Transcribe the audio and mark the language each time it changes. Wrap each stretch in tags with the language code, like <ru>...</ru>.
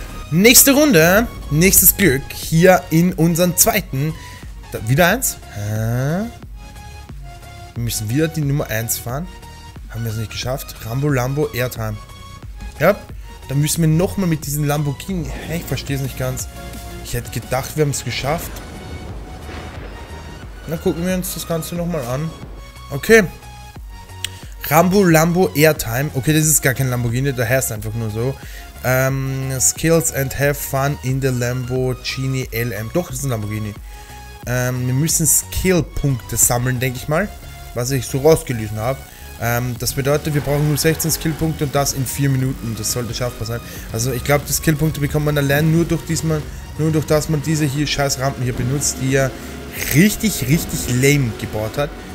<de>nächste Runde, nächstes Glück, hier in unserem zweiten, da, wieder eins, wir müssen wieder die Nummer 1 fahren, haben wir es nicht geschafft, Rambo Lambo Airtime, ja, da müssen wir nochmal mit diesem Lamborghini, hey, ich verstehe es nicht ganz, ich hätte gedacht, wir haben es geschafft, na gucken wir uns das Ganze nochmal an, okay, Rambo Lambo Airtime, okay, das ist gar kein Lamborghini, da heißt es einfach nur so.</de> <en>Skills and have fun in the Lamborghini LM.</en> <de>Doch, das ist ein Lamborghini. Wir müssen Skill-Punkte sammeln, denke ich mal. Was ich so rausgelesen habe. Das bedeutet, wir brauchen nur 16 Skill-Punkte und das in 4 Minuten. Das sollte schaffbar sein. Also ich glaube, die Skill-Punkte bekommt man allein nur durch diesmal, nur durch dass man diese hier scheiß Rampen hier benutzt, die ja richtig, richtig lame gebaut hat.</de>